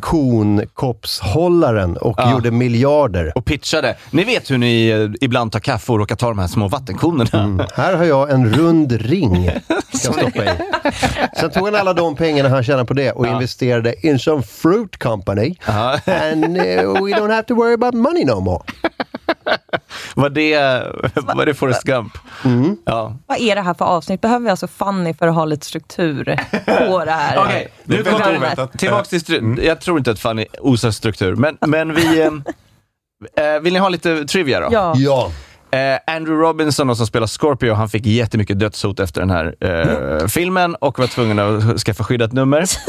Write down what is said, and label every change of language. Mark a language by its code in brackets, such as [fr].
[sv] Konkoppshållaren och gjorde miljarder. Och pitchade. Ni vet hur ni ibland tar kaffe och råkar ta de här små vattenkonerna. Här har jag en rund ring ska stoppa i. Sen tog han alla de pengarna han tjänade på det och investerade in [en] some fruit company. And we don't have to worry about money no more. [sv] Var det Forrest Gump? Mm. Ja. Vad är det här för avsnitt? Behöver vi alltså Fanny för att ha lite struktur på det här? Okej, okay, nu kommer tillbaka till jag tror inte att Fanny osar struktur. Men vi... vill ni ha lite trivia då? Ja. Ja. Andrew Robinson som spelar Scorpio, han fick jättemycket dödshot efter den här filmen och var tvungen att skaffa skyddat nummer.